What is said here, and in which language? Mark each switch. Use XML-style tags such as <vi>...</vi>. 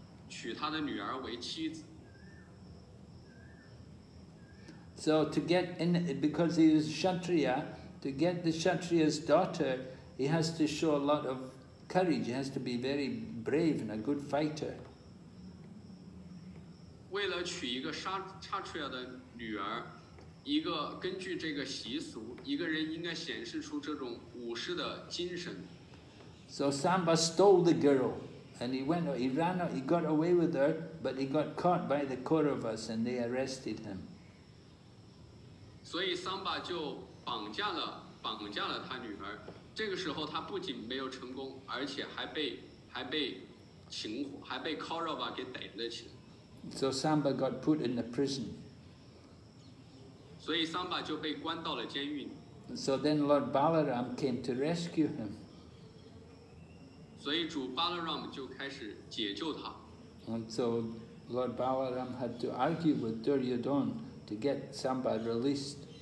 <zh>娶他的女儿为妻子。</zh> <en>So to get in, because he is Kshatriya, to get the Kshatriya's daughter, he has to show a lot of courage, has to be very brave and a good fighter.</en> <zh>为了娶一个查出亚的女儿，一个根据这个习俗，一个人应该显示出这种武士的精神。</zh> <en>So Samba stole the girl, and he went, he ran, he got away with her, but he got caught by the Kauravas, and they arrested him.</en> <zh>所以桑巴就绑架了他女儿。这个时候，他不仅没有成功，而且还被 Kaurava 给逮了起来。</zh> <en>So Samba got put in the prison.</en> <zh>所以桑巴就被关到了监狱。</zh> <en>So then Lord Balaram came to rescue him.</en> <zh>所以主 Balaram 就开始解救他。</zh> <en>And so Lord Balaram had to argue with Duryodhana to get Samba released.</en>